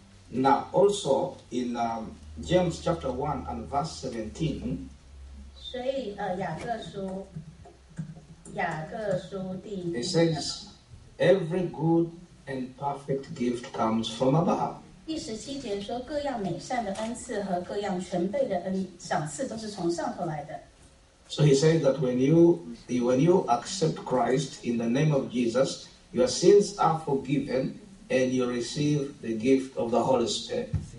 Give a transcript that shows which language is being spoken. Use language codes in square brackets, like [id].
[en] Now, also in James chapter 1 and verse 17, it says, every good and perfect gift comes from above. [zh] 第十七节说，各样美善的恩赐和各样全备的恩赏赐都是从上头来的。 [en] So he says that when you accept Christ in the name of Jesus, your sins are forgiven and you receive the gift of the Holy Spirit.